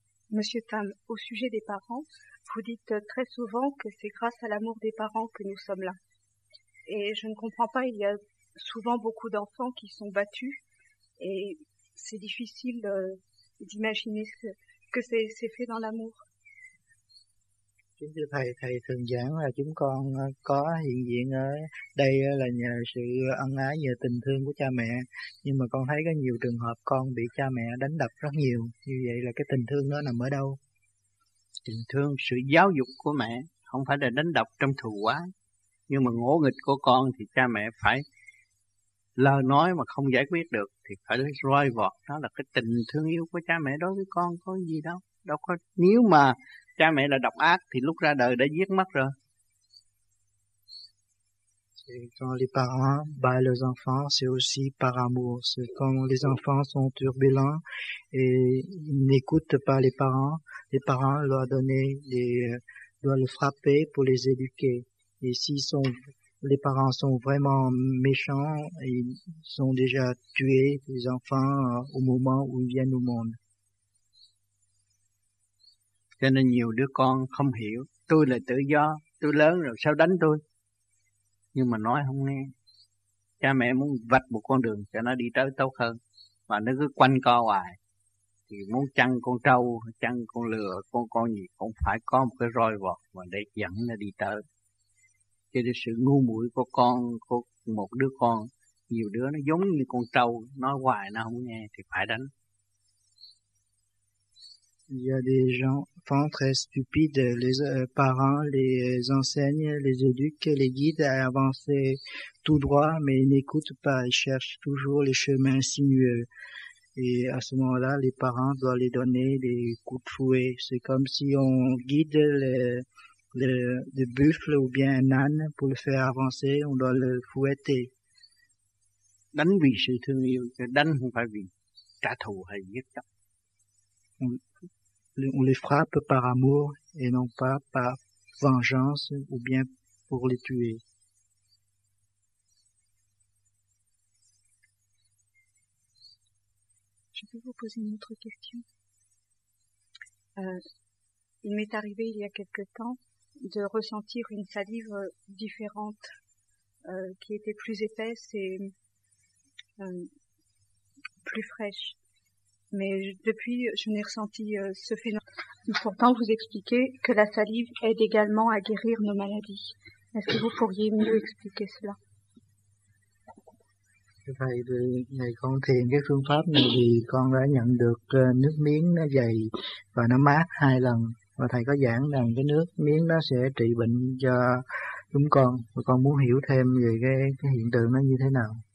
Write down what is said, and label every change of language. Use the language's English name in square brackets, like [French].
[French] Monsieur Tam, au sujet des parents, vous dites très souvent que c'est grâce à l'amour des parents que nous sommes là. Et je ne comprends pas, il y a souvent beaucoup d'enfants qui sont battus et c'est difficile d'imaginer que c'est fait dans l'amour. [Vietnamese] Chính thưa thầy, thầy thường giảng là chúng con có hiện diện ở đây là nhờ sự ân ái, nhờ tình thương của cha mẹ. Nhưng mà con thấy có nhiều trường hợp con bị cha mẹ đánh đập rất nhiều. Như vậy là cái tình thương nó nằm ở đâu? Tình thương, sự giáo dục của mẹ không phải là đánh đập trong thù oán. Nhưng mà ngỗ nghịch của con thì cha mẹ phải lời nói mà không giải quyết được thì phải roi vọt. Đó là cái tình thương yêu của cha mẹ đối với con có gì đâu. Đâu có, nếu mà cha mẹ là độc ác thì lúc ra đời đã giết mất rồi. [French] C'est quand les parents battent leurs enfants, c'est aussi par amour. C'est quand les enfants sont turbulents et n'écoutent pas les parents doivent donner doivent le frapper pour les éduquer. Et s'ils sont, les parents sont vraiment méchants, ils ont déjà tué les enfants au moment où ils viennent au monde. [Vietnamese] Cho nên nhiều đứa con không hiểu, tôi là tự do, tôi lớn rồi sao đánh tôi? Nhưng mà nói không nghe. Cha mẹ muốn vạch một con đường cho nó đi tới tốt hơn. Và nó cứ quanh co hoài. Thì muốn chăn con trâu, chăn con lừa, con gì cũng phải có một cái roi vọt và để dẫn nó đi tới. Cho nên sự ngu muội của con, của một đứa con, nhiều đứa nó giống như con trâu, nói hoài nó không nghe thì phải đánh. [French] Il y a des enfants très stupides, les parents les enseignent, les éduquent, les guident à avancer tout droit, mais ils n'écoutent pas, ils cherchent toujours les chemins sinueux. Et à ce moment-là, les parents doivent les donner des coups de fouet. C'est comme si on guide le buffle ou bien un âne pour le faire avancer, on doit le fouetter. [Vietnamese] Đánh vì sự thương yêu, đánh không phải vì trả thù hay giết chóc. [French] On les frappe par amour et non pas par vengeance ou bien pour les tuer. Je peux vous poser une autre question. Il m'est arrivé il y a quelque temps de ressentir une salive différente qui était plus épaisse et plus fraîche. Mais depuis, je n'ai ressenti ce phénomène. Pourtant, vous expliquez que la salive aide également à guérir nos maladies. Est-ce que vous pourriez mieux expliquer cela? [Vietnamese] Thầy, ngày con thiền cái phương pháp này thì con đã nhận được nước miếng nó dày và nó mát hai lần. Và thầy có giảng rằng cái nước miếng đó sẽ trị bệnh cho chúng con. Và con muốn hiểu thêm về cái hiện tượng nó như thế nào.